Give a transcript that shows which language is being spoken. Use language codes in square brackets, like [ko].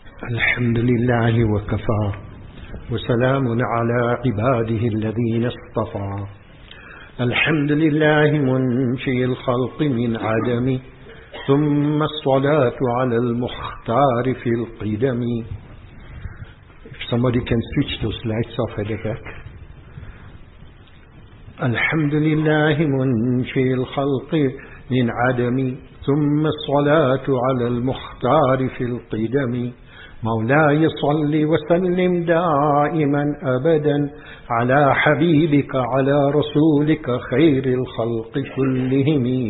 [ar] الحمد لله وكفى وسلام على عباده الذين اصطفى. الحمد لله منشئ الخلق من عدم، ثم الصلاة على المختار في القدم. [en] If somebody can switch those lights off at the back. [ar] الحمد لله منشئ الخلق من عدم، ثم الصلاة على المختار في القدم. مولاي صلي وسلم دائما أبدا على حبيبك على رسولك خير الخلق كلهم.